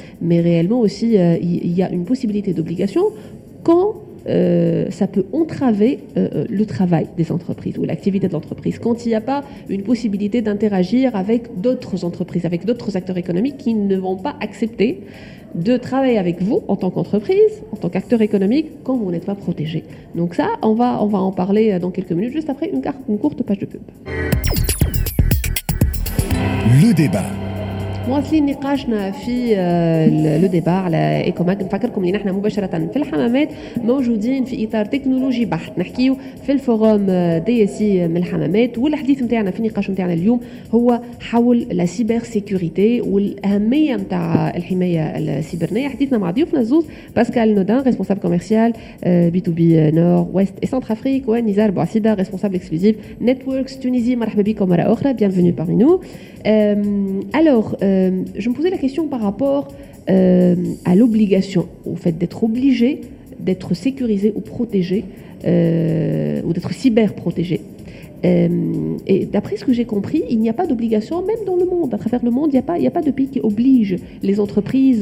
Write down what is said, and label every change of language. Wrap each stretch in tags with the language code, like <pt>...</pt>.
<fr>Mais réellement aussi, il y a une possibilité d'obligation quand ça peut entraver le travail des entreprises ou l'activité de l'entreprise, quand il n'y a pas une possibilité d'interagir avec d'autres entreprises, avec d'autres acteurs économiques qui ne vont pas accepter de travailler avec vous en tant qu'entreprise, en tant qu'acteur économique, quand vous n'êtes pas protégé. Donc ça, on va en parler dans quelques minutes, juste après une courte page de pub. Le débat.</fr> <ar>مواصلين نقاشنا في لو ديبار على ايكوماك. نفكركم اللي نحن مباشرة في الحمامات موجودين في إطار تكنولوجي بحت، نحكيو في الفوروم دي اس اي من الحمامات، والحديث نتاعنا في النقاش نتاعنا اليوم هو حول لا سيبر سيكوريتي والأهمية نتاع الحماية السيبرنية. حديثنا مع ضيوفنا الزوز باسكال نودان ريسبونسابل كوميرسيال بي تو بي نور ويست اي سنتر افريك، ونزار بوعسيدة ريسبونسابل اكسكلوزيف نتوركس تونيزي. مرحبا بكم مرة أخرى، بيانفوني</ar> <fr>parmi nous. Je me posais la question par rapport à l'obligation, au fait d'être obligé, d'être sécurisé ou protégé, ou d'être cyber-protégé. Et d'après ce que j'ai compris, il n'y a pas d'obligation, même dans le monde, à travers le monde, il n'y a pas de pays qui oblige les entreprises.</fr>